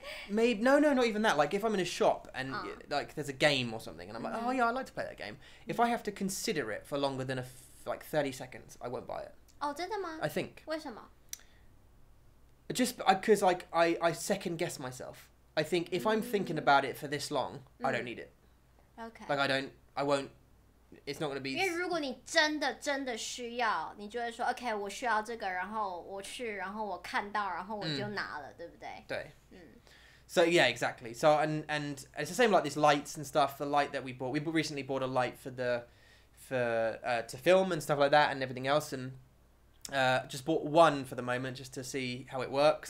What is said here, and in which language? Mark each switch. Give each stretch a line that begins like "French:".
English: Maybe, no, not even that. Like, if I'm in a shop and, like, there's a game or something, and I'm like, oh, yeah, I'd like to play that game. If I have to consider it for longer than, like, 30 seconds, I won't buy it.
Chinese: Oh, 真的吗?
English: I think.
Chinese: 为什么?
English: Just because, like, I second-guess myself. I think if I'm thinking about it for this long, I don't need it. Okay. Like, I won't... It's not going to be...
Chinese: 因为如果你真的需要,你就会说, okay,我需要这个,然后我去,然后我看到,然后我就拿了,对不对? 对。
English: So yeah, exactly. So and it's the same like these lights and stuff. The light that we bought, we recently bought a light to film and stuff like that and everything else. And just bought one for the moment just to see how it works.